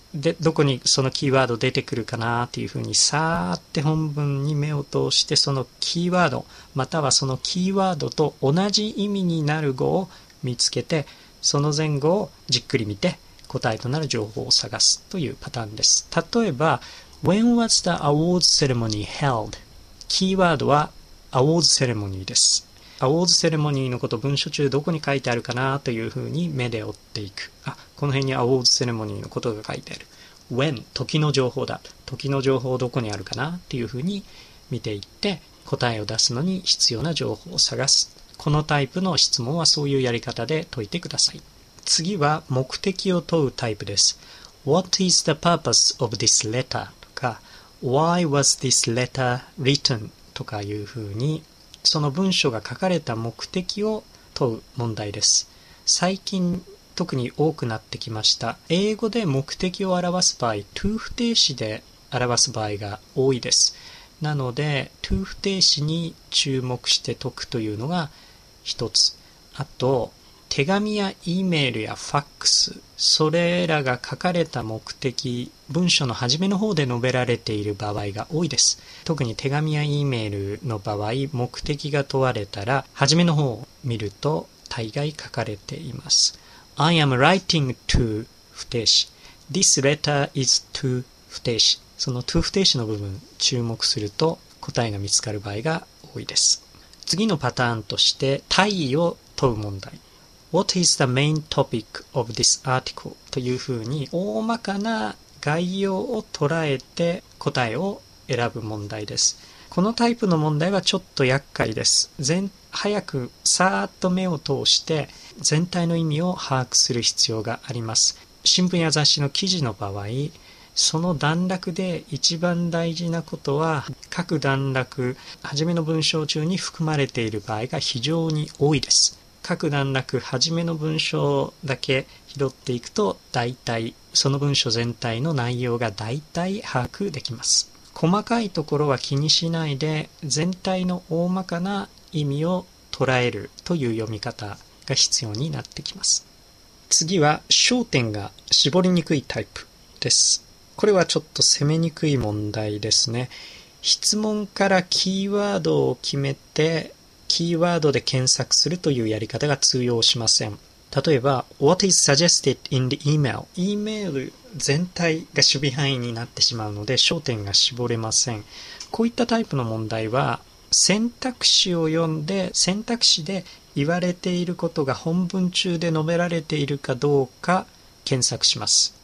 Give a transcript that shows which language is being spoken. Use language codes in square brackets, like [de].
[ja] で、どこにそのキーワード出てくるかなっていうふうにさーって本文に目を通して、そのキーワードまたはそのキーワードと同じ意味になる語を見つけて、その前後をじっくり見て答えとなる情報を探すというパターンです。例えば [en] When was the awards ceremony held? [ja] キーワードは awards ceremony です。awards ceremony のこと文書中どこに書いてあるかなというふうに目で追っていく。あ、この辺にアウォーズセレモニーのことが書いてある。When、 時の情報だ。時の情報どこにあるかなっていうふうに見ていって、答えを出すのに必要な情報を探す。このタイプの質問はそういうやり方で解いてください。次は目的を問うタイプです。 [en] What is the purpose of this letter? [ja] とか [en] Why was this letter written? [ja] とかいうふうに、その文書が書かれた目的を問う問題です。最近特に多くなってきました。英語で目的を表す場合、 to 不定詞で表す場合が多いです。なので to 不定詞に注目して解くというのが一つ。あと手紙や E メールやファックス、それらが書かれた目的、文書の初めの方で述べられている場合が多いです。特に手紙や E メールの場合、目的が問われたら初めの方を見ると大概書かれています。 [en] I am writing to 不定詞、 This letter is to 不定詞。 [ja] その to 不定詞の部分注目すると答えが見つかる場合が多いです。次のパターンとして、大意を問う問題。 [en] What is the main topic of this article? [ja] というふうに大まかな概要を捉えて答えを選ぶ問題です。このタイプの問題はちょっと厄介です。早くさーっと目を通して全体の意味を把握する必要があります。新聞や雑誌の記事の場合、その段落で一番大事なことは、各段落、はじめの文章中に含まれている場合が非常に多いです。各段落、はじめの文章だけ拾っていくと、大体、その文章全体の内容が大体把握できます。細かいところは気にしないで、全体の大まかな意味を捉えるという読み方が必要になってきます。次は、焦点が絞りにくいタイプです。これはちょっと攻めにくい問題ですね。質問からキーワードを決めて、キーワードで検索するというやり方が通用しません。例えば、 [en] What is suggested in the email? [ja] E メール全体が守備範囲になってしまうので、焦点が絞れません。こういったタイプの問題は、選択肢を読んで、選択肢で言われていることが本文中で述べられているかどうか検索します。